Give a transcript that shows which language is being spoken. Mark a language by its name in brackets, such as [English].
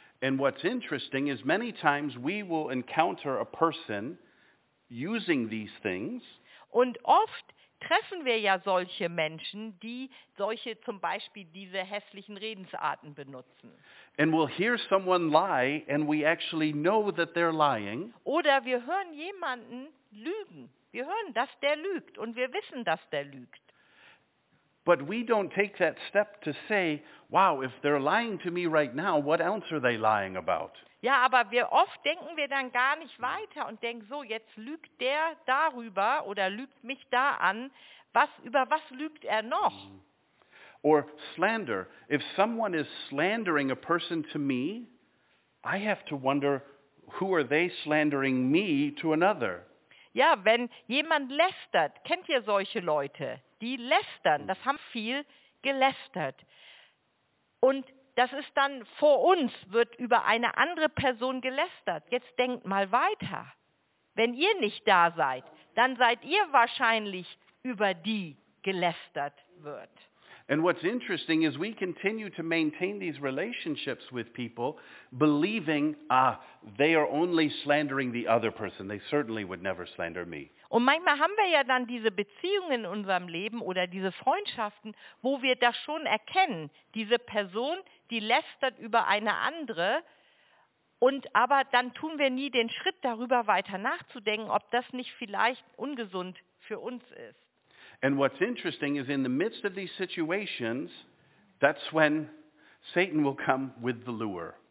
[English] And what's interesting is many times we will encounter a person using these things. [German] Und oft treffen wir ja solche Menschen, die solche zum Beispiel diese hässlichen Redensarten benutzen. [English] And we'll hear someone lie and we actually know that they're lying. [German] Oder wir hören jemanden lügen. Wir hören, dass der lügt und wir wissen, dass der lügt. [English] But we don't take that step to say, wow, if they're lying to me right now, what else are they lying about? [German] Ja, aber wir oft denken wir dann gar nicht weiter und denken so, jetzt lügt der darüber oder lügt mich da an. Über was lügt er noch? [English] Or slander. If someone is slandering a person to me, I have to wonder, who are they slandering me to another? [German] Ja, wenn jemand lästert, kennt ihr solche Leute? Die lästern, das haben viel gelästert. Und das ist dann vor uns, wird über eine andere Person gelästert. Jetzt denkt mal weiter. Wenn ihr nicht da seid, dann seid ihr wahrscheinlich über die gelästert wird. [English] And what's interesting is we continue to maintain these relationships with people, believing, they are only slandering the other person. They certainly would never slander me. [German] Und manchmal haben wir ja dann diese Beziehungen in unserem Leben oder diese Freundschaften, wo wir das schon erkennen. Diese Person, die lästert über eine andere. Und aber dann tun wir nie den Schritt, darüber weiter nachzudenken, ob das nicht vielleicht ungesund für uns ist. [English] And what's interesting is in the midst of these situations, that's when Satan will come with the lure.